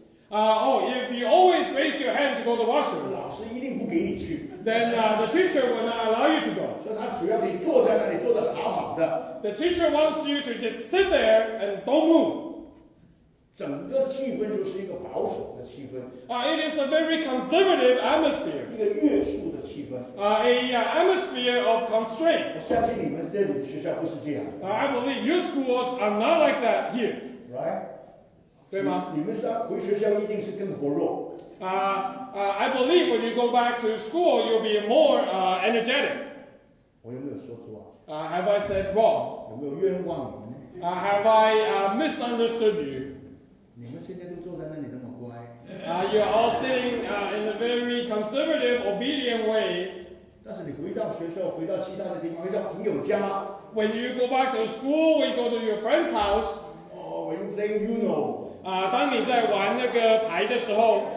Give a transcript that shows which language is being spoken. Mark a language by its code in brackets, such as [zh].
[en] If you always raise your hand to go to the washroom, [zh] 老师一定不给你去. [en] Then the teacher will not allow you to go. [zh] 所以他只要你坐在那里坐得好好的. [en] The teacher wants you to just sit there and don't move. [zh] 整个气氛就是一个保守的气氛. [en] It is a very conservative atmosphere. [zh] 一个约束的气氛. [en] Atmosphere of constraint. [zh] 我相信你们这里学校不是这样. [en] I believe your schools are not like that here. Right? [zh] 对吗? 你们回学校一定是更活络. [en] I believe when you go back to school, you'll be more energetic. [zh] 我有没有说错啊? [en] Have I said wrong? [zh] 有没有冤枉你们呢? [en] Have I misunderstood you? [zh] 你们现在都坐在那里那么乖。 [en] You're all sitting in a very conservative, obedient way. [zh] 但是你回到学校，回到其他的地方，回到朋友家。 [en] When you go back to school, we go to your friend's house. Oh, when you play Uno. [zh] 当你在玩那个牌的时候